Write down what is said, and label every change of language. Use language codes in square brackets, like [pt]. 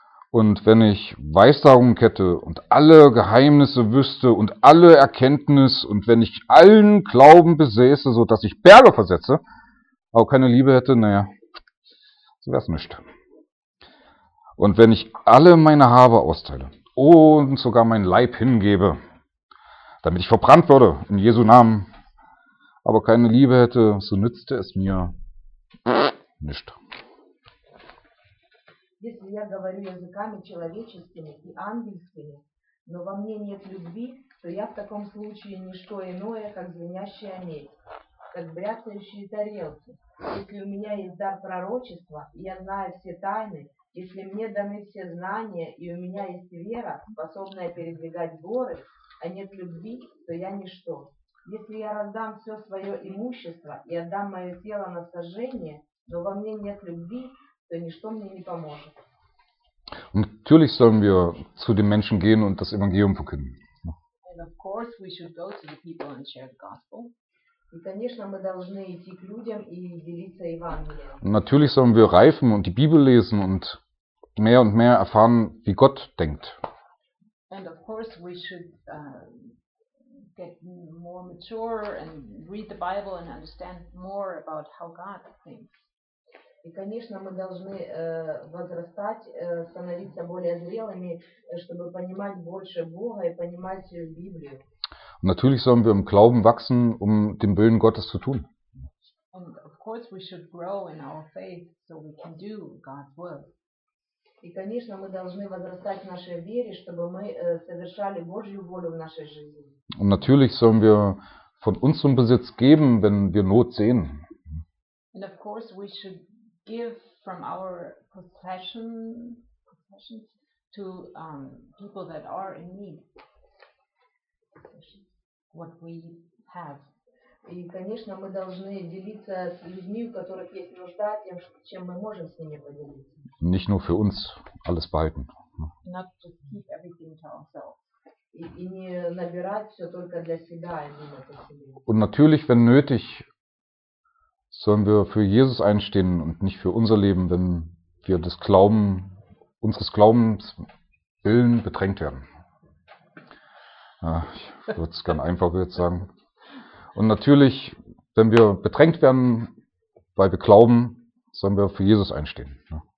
[de] Und wenn ich Weissagung hätte und alle Geheimnisse wüsste und alle Erkenntnis und wenn ich allen Glauben besäße, so dass ich Berge versetze, aber keine Liebe hätte, naja, so wäre es nichts. Und wenn ich alle meine Habe austeile und sogar mein Leib hingebe, damit ich verbrannt würde, in Jesu Namen, aber keine Liebe hätte, so nützte es mir nichts. [ru] Если я говорю языками человеческими и ангельскими, но во мне нет любви, то я в таком случае не что иное, как звенящая медь, как бряцающие тарелки. Если у меня есть дар пророчества, и я знаю все тайны, если мне даны все знания, и у меня есть вера, способная передвигать горы, а нет любви, то я ничто. Если я раздам все свое имущество и отдам мое тело на сожжение, но во мне нет любви, то ничто мне не поможет. [de] Natürlich sollen wir zu den Menschen gehen und das Evangelium verkünden. [en] And of course we should go to the people and share the gospel. [ru] И, конечно, мы должны идти к людям и делиться Евангелием. [de] Natürlich sollen wir reifen und die Bibel lesen und mehr erfahren, wie Gott denkt. [en] And of course we should get more mature and read the Bible and understand more about how God thinks. [ru] И, конечно, мы должны возрастать, становиться более зрелыми, чтобы понимать больше Бога и понимать Библию. [de] Und natürlich sollen wir im Glauben wachsen, um den Willen Gottes zu tun. [en] And of course we should grow in our faith so we can do God's will. [ru] И, конечно, мы должны возрастать в нашей вере, чтобы мы совершали Божью волю в нашей жизни. [de] Und natürlich sollen wir von unserem Besitz geben, wenn wir Not sehen. [en] And of course we should give from our possessions to people that are in need. What we have. [ru] И, конечно, мы должны делиться с людьми, у которых есть нужда, тем, чем мы можем с ними поделиться. [de] Nicht nur für uns alles behalten. [en] Not to keep everything to ourselves. [ru] И не набирать все только для себя и думать о себе. [de] Und natürlich, wenn nötig, sollen wir für Jesus einstehen und nicht für unser Leben, wenn wir des Glauben, unseres Glaubens willen bedrängt werden. Ich würde es ganz einfach jetzt sagen. Und natürlich, wenn wir bedrängt werden, weil wir glauben, sollen wir für Jesus einstehen. Ja?